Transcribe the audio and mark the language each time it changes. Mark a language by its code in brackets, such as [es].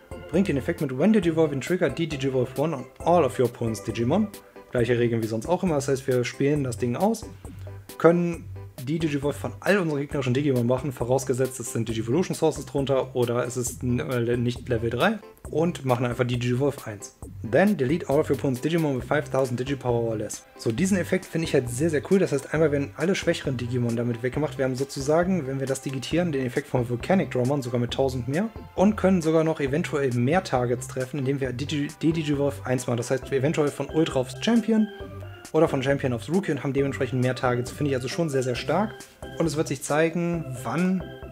[de] Bringt den Effekt mit, [en] when Digivolving Trigger, die Digivolve 1 on all of your opponent's Digimon. [de] Gleiche Regeln wie sonst auch immer, das heißt, wir spielen das Ding aus, können die Digivolve von all unseren gegnerischen Digimon machen, vorausgesetzt, es sind Digivolution Sources drunter oder es ist nicht Level 3, und machen einfach die Digivolve 1. [en] Then delete all of your opponent's Digimon with 5000 Digipower or less. [de] So, diesen Effekt finde ich halt sehr, sehr cool. Das heißt, einmal werden alle schwächeren Digimon damit weggemacht. Wir haben sozusagen, wenn wir das digitieren, den Effekt von Volcanic Drawmon sogar mit 1000 mehr. Und können sogar noch eventuell mehr Targets treffen, indem wir Digivolve 1 machen. Das heißt, eventuell von Ultra aufs Champion oder von Champion aufs Rookie und haben dementsprechend mehr Targets. Finde ich also schon sehr, sehr stark. Und es wird sich zeigen, wann